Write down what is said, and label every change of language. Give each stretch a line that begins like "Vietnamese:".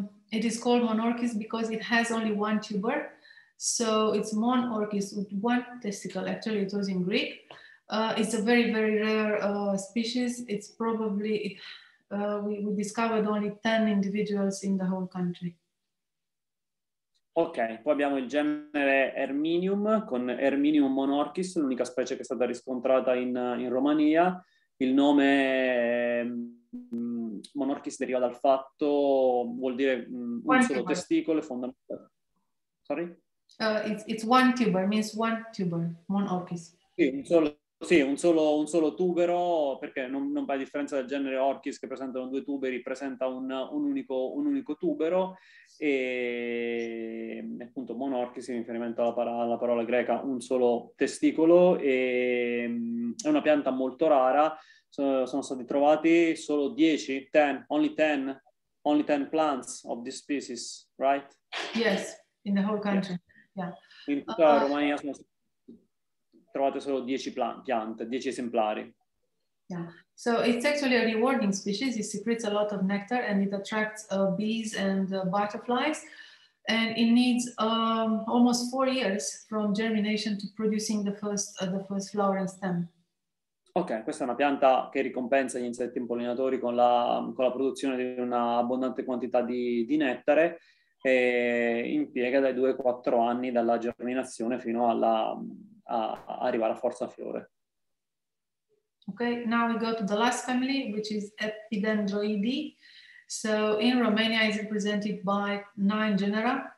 English: It is called monorchis because it has only one tuber, so it's monorchis with one testicle. Actually, it was in Greek. It's a very, very rare species. It's probably we discovered only 10 individuals in the whole country.
Italian: Ok, poi abbiamo il genere Herminium con Herminium monorchis, l'unica specie che è stata riscontrata in Romania. Il nome monorchis deriva dal fatto, vuol dire un solo testicolo, fondamentale.
English: Sorry? It's one tuber, means one tuber, monorchis.
Italian: Sì, un solo tubero, perché non fa differenza del genere orchis che presentano due tuberi, presenta un unico tubero, e appunto monorchis in riferimento alla parola greca, un solo testicolo, e è una pianta molto rara. Sono stati trovati solo 10
English: plants of this species, right? Yes, in the whole country. Yeah.
Italian: In tutta Romania sono state trovate solo 10 esemplari.
English: Yeah. So it's actually a rewarding species. It secretes a lot of nectar and it attracts bees and butterflies. And it needs almost 4 years from germination to producing the first flowering stem.
Italian: Ok, questa è una pianta che ricompensa gli insetti impollinatori con la produzione di un'abbondante quantità di nettare, e impiega dai 2 ai 4 anni dalla germinazione fino a arrivare a forza fiore.
English: Ok, now we go to the last family, which is Epidendroidi. So in Romania it's represented by 9 genera.